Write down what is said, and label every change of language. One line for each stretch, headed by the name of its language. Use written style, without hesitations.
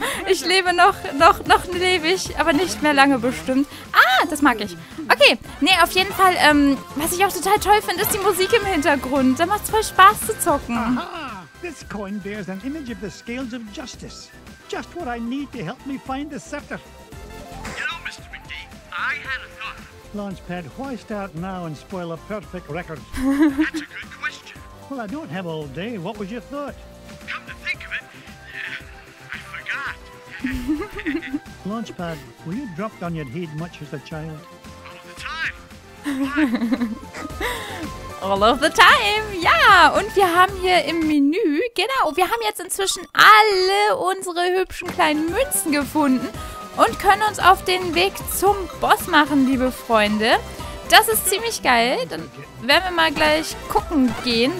German: Ich lebe noch lebe ich, aber nicht mehr lange bestimmt. Ah, das mag ich. Okay, nee, auf jeden Fall, was ich auch total toll finde, ist die Musik im Hintergrund. Da macht's voll Spaß zu zocken.
English: Aha, this coin bears an image of the scales of justice. Just what I need to help me find the scepter. You know, Mr. McGee, I had a thought. Launchpad, why start now and spoil a perfect record? That's a good question. Well, I don't have all day. What was your thought? Come to think of it, I forgot. Launchpad, were you dropped on your head much as a child? All the All of the time.
German: Ja, und wir haben hier im Menü, genau, wir haben jetzt inzwischen alle unsere hübschen kleinen Münzen gefunden und können uns auf den Weg zum Boss machen, liebe Freunde. Das ist ziemlich geil. Dann werden wir mal gleich gucken gehen.